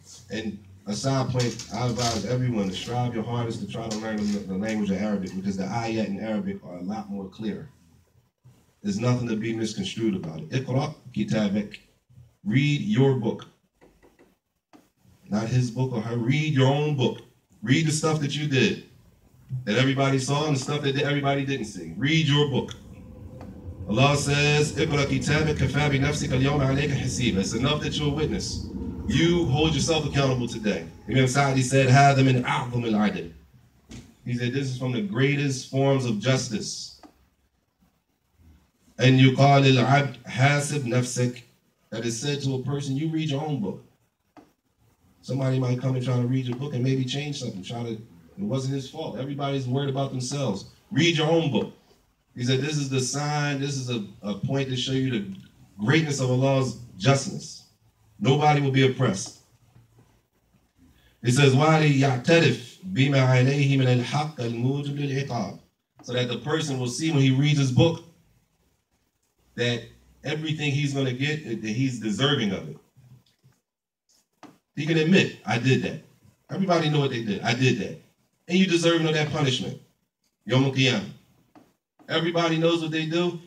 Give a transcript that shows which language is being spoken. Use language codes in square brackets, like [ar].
[en] And a side point, I advise everyone to strive your hardest to try to learn the language of Arabic, because the ayat in Arabic are a lot more clear. There's nothing to be misconstrued about it. [ar] Iqra kitabik. [en] Read your book. Not his book or her. Read your own book. Read the stuff that you did, that everybody saw, and the stuff that everybody didn't see. Read your book. Allah says, [ar] اِقْرَ كِتَابِكَ كَفَى بِنَفْسِكَ الْيَوْمَ عَلَيْكَ حَسِيبًا. [en] It's enough that you're a witness. You hold yourself accountable today. Imam Sa'di said, [ar] هَذَا مِنْ أَعْظُمِ الْعَدْلِ. [en] He said, this is from the greatest forms of justice. [ar] أَنْ يُقَالِ الْعَبْدِ حَاسِبْ نَفْسِكَ. [en] That is said to a person, you read your own book. Somebody might come and try to read your book and maybe change something. It wasn't his fault. Everybody's worried about themselves. Read your own book. He said, this is the sign. This is a point to show you the greatness of Allah's justness. Nobody will be oppressed. He says, [ar] وَعَلِي يَعْتَرِفْ بِمَا عَلَيْهِ مِنَ الْحَقَّ الْمُوجِبِ الْعِقَابِ. [en] So that the person will see when he reads his book that everything he's going to get, that he's deserving of it. He can admit, I did that. Everybody know what they did. I did that. And you deserve that punishment. Yawm al-Qiyamah. Everybody knows what they do.